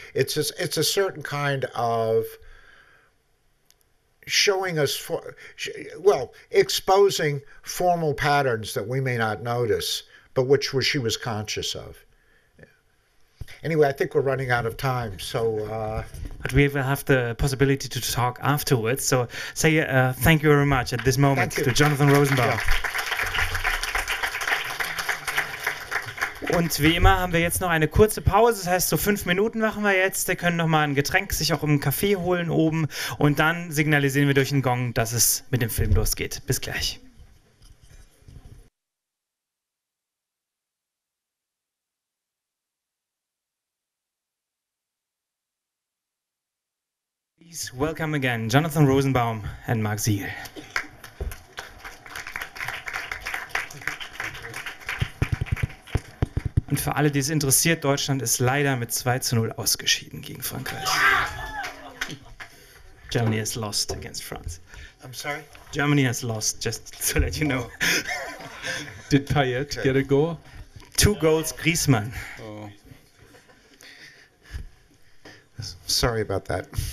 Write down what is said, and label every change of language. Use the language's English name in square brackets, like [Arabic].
[English] It's a certain kind of showing us, exposing formal patterns that we may not notice, but which she was conscious of. Anyway, I think we're running out of time, so... But we will have the possibility to talk afterwards, so say thank you very much at this moment to Jonathan Rosenbaum. Yeah. [German] Und wie immer haben wir jetzt noch eine kurze Pause, das heißt, so 5 Minuten machen wir jetzt. Wir können nochmal ein Getränk sich auch im Café holen oben und dann signalisieren wir durch den Gong, dass es mit dem Film losgeht. Bis gleich. [English] Please welcome again Jonathan Rosenbaum and Mark Siegel. [German] Und für alle, die es interessiert, Deutschland ist leider mit 2-0 ausgeschieden gegen Frankreich. [English] Germany has lost against France. I'm sorry? Germany has lost, just to let you know. Did Payet get a goal? 2 goals, Griezmann. Oh. Sorry about that.